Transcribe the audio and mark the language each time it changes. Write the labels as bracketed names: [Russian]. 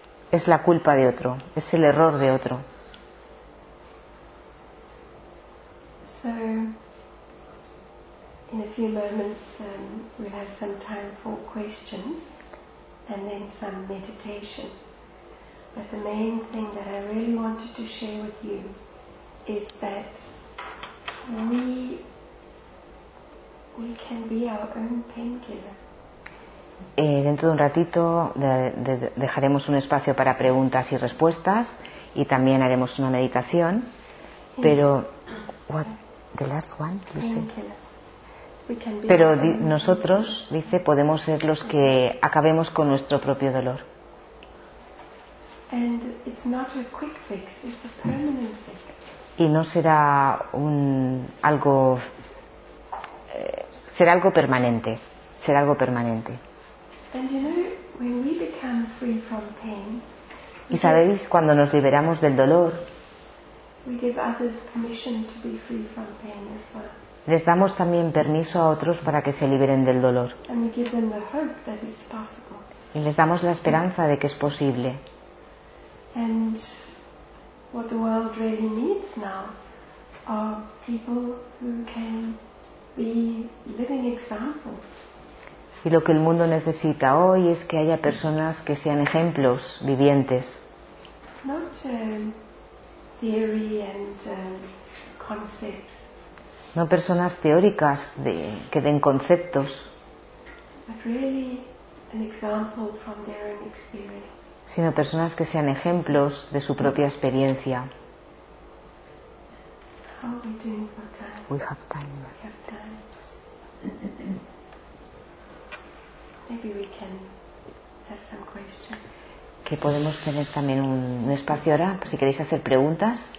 [Spanish] Es la culpa de otro, es el error de otro. [English] So, in a few moments, we'll have some time for questions and then some meditation. But the main thing that I really wanted to share with you is that we can be our own painkiller. [Spanish] Dentro de un ratito dejaremos un espacio para preguntas y respuestas y también haremos una meditación. [English] Pero what, the last one, you said. [Spanish] Pero nosotros, dice, podemos ser los que acabemos con nuestro propio dolor. [English] And it's not a quick fix, it's a permanent fix. [Spanish] Y no será un algo será algo permanente. [English] And you know, when we become free from pain, [Spanish] y sabéis, cuando nos liberamos del dolor, [English] we give others permission to be free from pain as well. [Spanish] Les damos también permiso a otros para que se liberen del dolor. [English] And we give them the hope that it's possible. [Spanish] Y les damos la esperanza de que es posible. [English] And what the world really needs now are people who can be living examples. [Spanish] Y lo que el mundo necesita hoy es que haya personas que sean ejemplos vivientes. [English] Not theory and concepts. [Spanish] No personas teóricas que den conceptos. [English] But really an example from their own experience. [Spanish] Sino personas que sean ejemplos de su propia experiencia. [English] How are we doing for time? We have time. We have time. Maybe we can have some questions. [Spanish] Que podemos tener también un espacio ahora, si queréis hacer preguntas